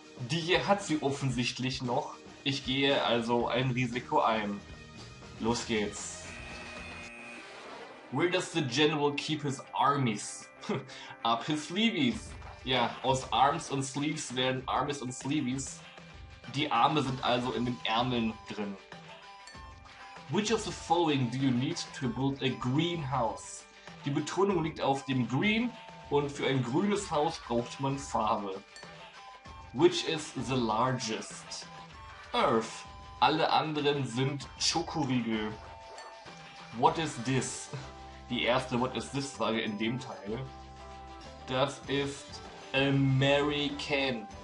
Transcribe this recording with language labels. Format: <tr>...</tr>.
<de>Die hier hat sie offensichtlich noch. Ich gehe also ein Risiko ein. Los geht's.</de> <en>Where does the general keep his armies? Up his sleeves.</en> <de>Ja, aus Arms und Sleeves werden Armies und Sleeves. Die Arme sind also in den Ärmeln drin.</de> <en>Which of the following do you need to build a greenhouse?</en> <de>Die Betonung liegt auf dem Green und für ein grünes Haus braucht man Farbe.</de> <en>Which is the largest? Earth.</en> <de>Alle anderen sind Schokoriegel.</de> <en>What is this?</en> <de>Die erste What is this Frage in dem Teil. Das ist</de> <en>a Mary Can.</en>